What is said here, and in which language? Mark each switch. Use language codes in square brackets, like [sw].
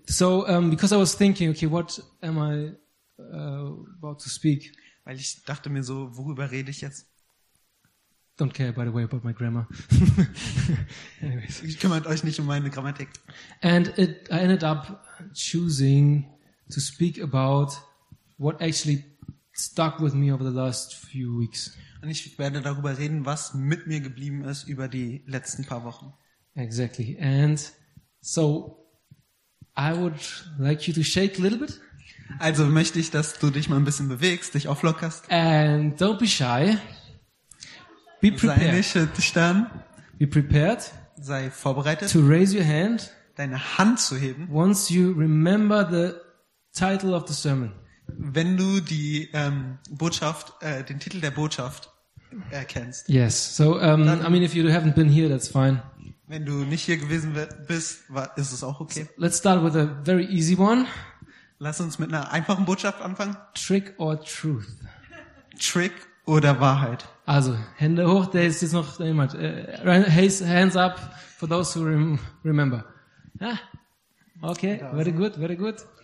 [en] So, because I was thinking, okay, what am I about to speak? [de] Weil ich dachte mir so, worüber rede ich jetzt? [en] Don't care, by the way, about my grammar. Anyways. [de] Ich kümmert euch nicht um meine Grammatik. [en] And I ended up choosing to speak about what actually stuck with me over the last few weeks. [de] Und ich werde darüber reden, was mit mir geblieben ist über die letzten paar Wochen. [en] Exactly. And so I would like you to shake a little bit. [de] Also möchte ich, dass du dich mal ein bisschen bewegst, dich auflockerst. [en] And don't be shy. Be prepared. [de] Sei nicht schüchtern. [en] Be prepared. [de] Sei vorbereitet. [en] To raise your hand. [de] Deine Hand zu heben. [en] Once you remember the title of the sermon. [de] Wenn du die Botschaft, den Titel der Botschaft erkennst. [en] Yes. So, dann, I mean, if you haven't been here, that's fine. [de] Wenn du nicht hier gewesen bist, ist es auch okay. So, [en] let's start with a very easy one. [de] Lass uns mit einer einfachen Botschaft anfangen. [en] Trick or truth. [de] Trick oder Wahrheit? Also, Hände hoch, der ist jetzt noch jemand. [en] Hands up for those who remember. Ah, okay, very good, very good.